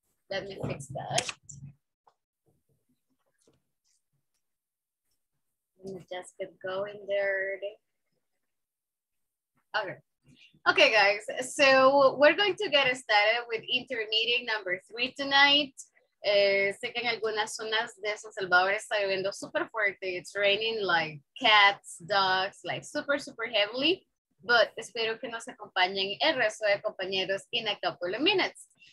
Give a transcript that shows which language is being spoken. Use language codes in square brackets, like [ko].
[en] Let me fix that. Let me just get going there. Okay, guys. So we're going to get started with intermeeting number 3 tonight. [es] Sé que en algunas zonas de San Salvador está lloviendo super fuerte. [en] It's raining like cats, dogs, like super, super heavily. But [es] espero que nos acompañen el resto de compañeros [en] in a couple of minutes.